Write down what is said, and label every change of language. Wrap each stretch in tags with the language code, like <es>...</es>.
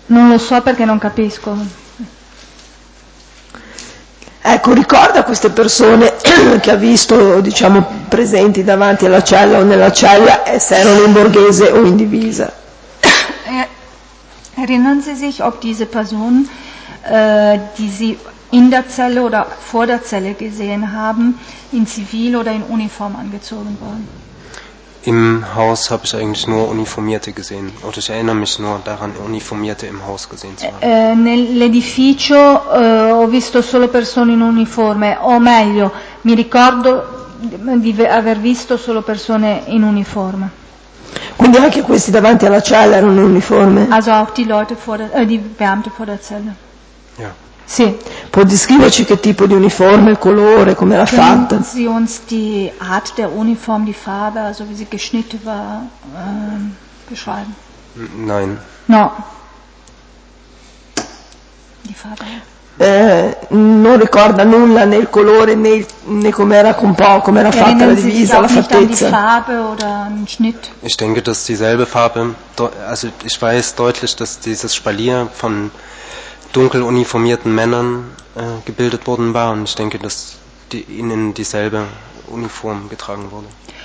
<it>Non lo so perché non capisco. Ecco, ricorda queste persone che ha visto, diciamo, presenti davanti alla cella o nella cella, se erano in borghese o in divisa?</it> <de>Erinnern Sie sich, ob diese Personen, die Sie in der Zelle oder vor der Zelle gesehen haben, in Zivil oder in Uniform angezogen waren? Im Haus habe ich eigentlich nur Uniformierte gesehen. Oder ich erinnere mich nur daran, Uniformierte im Haus gesehen zu haben.</de> <it>Nell'edificio ho visto solo persone in uniforme, o meglio, mi ricordo di aver visto solo persone in uniforme. Quindi anche questi davanti alla cella erano in uniforme?</it> <de>Also auch die Leute vor der, die Beamte vor der Zelle. Ja.</de> <it>Sì. Può descriverci che tipo di uniforme, colore, come era fatta?</it> <de>Können Sie uns die Art der Uniform, die Farbe, also wie sie geschnitten war, beschreiben? Nein.</de> <it>No.</it> <de>Die Farbe?</de> <it>Non ricorda nulla né il colore né come era fatta la divisa, la fattezza.</it> <de>Ich denke, dass dieselbe Farbe, also ich weiß deutlich, dass dieses Spalier von dunkel uniformierten Männern gebildet worden war und ich denke, dass ihnen dieselbe Uniform getragen wurde.</de>